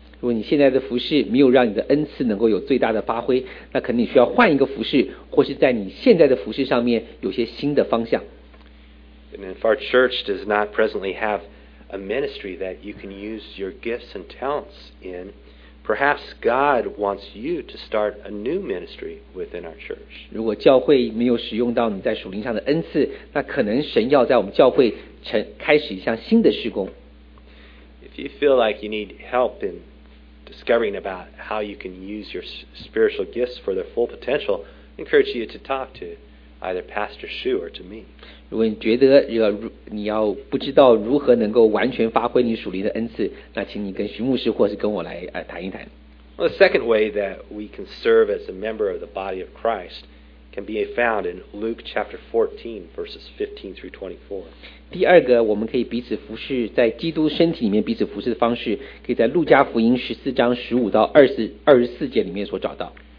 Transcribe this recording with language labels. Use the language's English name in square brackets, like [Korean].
[Chinese] 如果你现在的服事没有让你的恩赐能够有最大的发挥，那肯定需要换一个服事，或是在你现在的服事上面有些新的方向。 [English] And if our church does not presently have a ministry that you can use your gifts and talents in, perhaps God wants you to start a new ministry within our church. [Chinese] 如果教会没有使用到你在属灵上的恩赐，那可能神要在我们教会开始一项新的事工。 [English] If you feel like you need help in discovering about how you can use your spiritual gifts for their full potential, I encourage you to talk to either Pastor Shu or to me. [Chinese] 如果你觉得你要不知道如何能够完全发挥你属灵的恩赐，那请你跟徐牧师或是跟我来谈一谈。 [English] Well, the second way that we can serve as a member of the body of Christ can be found in Luke chapter 14, verses 15 through 24. [Chinese] 第二个我们可以彼此服侍在基督身体里面彼此服侍的方式可以在路加福音14章15到24节里面所找到。